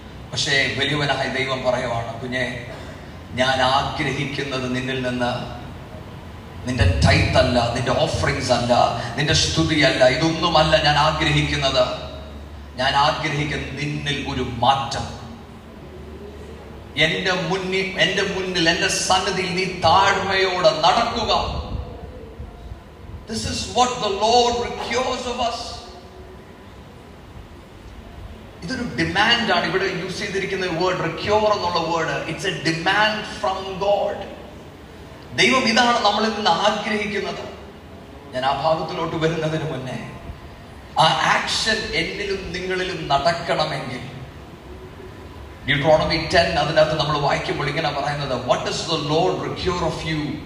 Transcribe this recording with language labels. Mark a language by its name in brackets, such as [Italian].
[Malayalam] പക്ഷേ വലിയവനായ ദൈവം പറയുവാണ്, കുഞ്ഞെ, ഞാൻ ആഗ്രഹിക്കുന്നത് നിന്നിൽ നിന്ന് നിന്റെ ടൈത്ത് അല്ല, നിന്റെ ഓഫറിങ്സ് അല്ല, നിന്റെ സ്തുതിയല്ല, ഇതൊന്നുമല്ല ഞാൻ ആഗ്രഹിക്കുന്നത്. ഞാൻ ആഗ്രഹിക്കുന്ന നിന്നിൽ ഒരു മാറ്റം. എന്റെ മുന്നിൽ എന്റെ സന്നിധിയിൽ നീ താഴ്മയോടെ നടക്കുക. [English] This is what the Lord requires of us. [Malayalam] ഇതൊരു ഡിമാൻഡാണ്. ഇവിടെ യൂസ് ചെയ്തിരിക്കുന്ന വേർഡ് റിക്യൂർ എന്നുള്ള word, [English] It's a demand from God. [Malayalam] ദൈവം ഇതാണ് നമ്മളിൽ നിന്ന് ആഗ്രഹിക്കുന്നത്. ഞാൻ ആ ഭാഗത്തിലോട്ട് വരുന്നതിന് മുന്നേ ആ ആക്ഷൻ എന്നിലും നിങ്ങളിലും നടക്കണമെങ്കിൽ, ഡ്യൂട്രോണമി 10 അതിനകത്ത് നമ്മൾ വായിക്കുമ്പോൾ ഇങ്ങനെ പറയുന്നത്, [English] What is the Lord require of you?